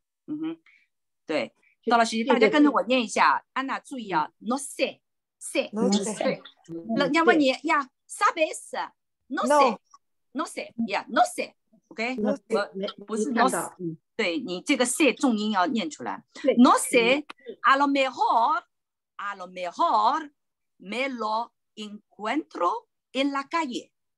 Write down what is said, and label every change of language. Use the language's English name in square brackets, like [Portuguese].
[Chinese] 嗯哼，对，到了时间，大家跟着我念一下。安娜，注意啊 ， [Spanish] no sé， sé， no sé。 [Chinese] 人家问你呀 [Spanish] ，sabes？ no sé， no sé， yeah， no sé。 [Chinese] OK， 我不是 [Spanish] no sé， [Chinese] 对你这个 sé 重音要念出来。 [Spanish] no sé， a lo mejor me lo encuentro en la calle。